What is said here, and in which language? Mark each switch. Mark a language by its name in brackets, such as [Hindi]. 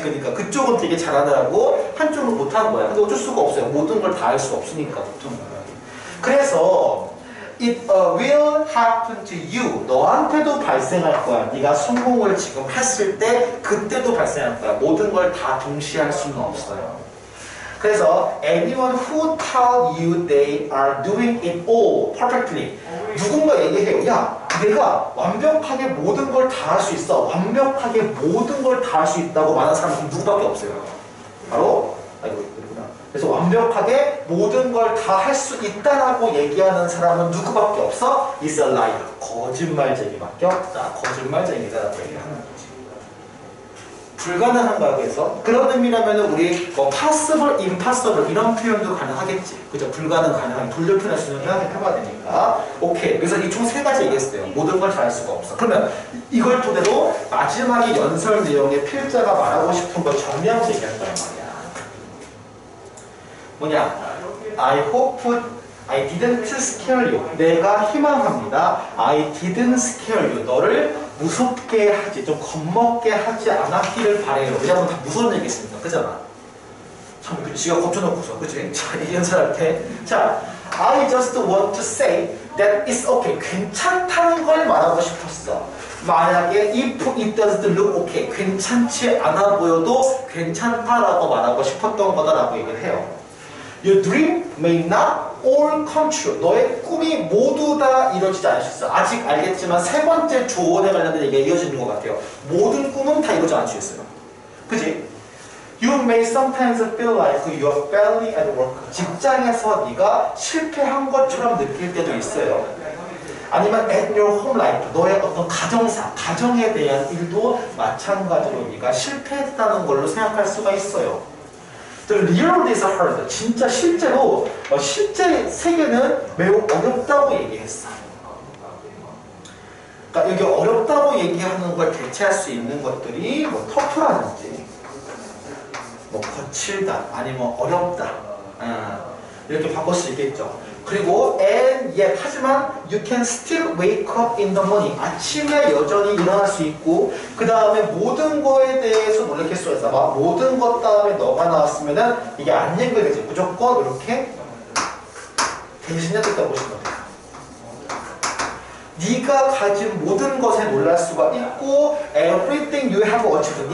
[Korean] 그러니까 그쪽은 되게 잘하느라고 한쪽은 못하는 거야. 근데 어쩔 수가 없어요. 모든 걸 다 할 수 없으니까 보통. 그래서 [English] it will happen to you. [Korean] 너한테도 발생할 거야. 네가 성공을 지금 했을 때 그때도 발생할 거야. 모든 걸 다 동시에 할 수는 없어요. 그래서 [English] anyone who tell you they are doing it all perfectly. [Korean] 누군가 얘기해요. 야, 내가 완벽하게 모든 걸 다 할 수 있어. 완벽하게 모든 걸 다 할 수 있다고 말하는 사람은 누구밖에 없어요. 바로, 아이고, 이랬구나. 그래서 완벽하게 모든 걸 다 할 수 있다라고 얘기하는 사람은 누구밖에 없어? [English] It's a liar. [Korean] 거짓말쟁이밖에 없다. 거짓말쟁이다라고 얘기하는 거지. 불가능한가고 해서 그런 의미라면 우리 뭐 possible, impossible 이런 표현도 가능하겠지. 그죠? 불가능, 가능, 돌려표현할 수는 해봐야 되니까. 오케이. 그래서 이 총 세 가지 얘기했어요. 모든 걸 잘할 수가 없어. 그러면 이걸 토대로 마지막에 연설 내용의 필자가 말하고 싶은 걸 정리하면서 얘기한단 말이야. 뭐냐? [English] I hope I didn't scare you. [Korean] 내가 희망합니다. [English] I didn't scare you. [Korean] 너를 무섭게 하지, 좀 겁먹게 하지 않았기를 바래요. 왜냐면 다 무서운 얘기했습니다. 그잖아. 참, 지가 겁쳐놓고서, 그치? 자, 이 연설한테. 자, [English] I just want to say that it's okay. [Korean] 괜찮다는 걸 말하고 싶었어. 만약에 [English] if it doesn't look okay. [Korean] 괜찮지 않아 보여도 괜찮다라고 말하고 싶었던 거다라고 얘기를 해요. [English] Your dream may not all come true. [Korean] 너의 꿈이 모두 다 이루어지지 않으셨어. 아직 알겠지만 세 번째 조언에 관련된 얘기가 이어지는 것 같아요. 모든 꿈은 다 이루어지지 않으셨어요. 그치? [English] You may sometimes feel like you are failing at work. [Korean] 직장에서 네가 실패한 것처럼 느낄 때도 있어요. 아니면 [English] at your home life, [Korean] 너의 어떤 가정사, 가정에 대한 일도 마찬가지로 네가 실패했다는 걸로 생각할 수가 있어요. [English] The reality is hard. [Korean] 진짜 실제로 실제 세계는 매우 어렵다고 얘기했어. 그러니까 여기 어렵다고 얘기하는 걸 대체할 수 있는 것들이 뭐 터프라든지 뭐 거칠다 아니면 어렵다 이렇게 바꿀 수 있겠죠. 그리고 [English] and yet [Korean] 하지만 [English] you can still wake up in the morning. [Korean] 아침에 여전히 일어날 수 있고 그 다음에 모든 거에 대해서 놀랄 수 있어. 막 모든 것 다음에 너가 나왔으면은 이게 안 연결되지. 무조건 이렇게 대신해 듣다 보시면 돼요. 네가 가진 모든 것에 놀랄 수가 있고 [English] everything you have achieved.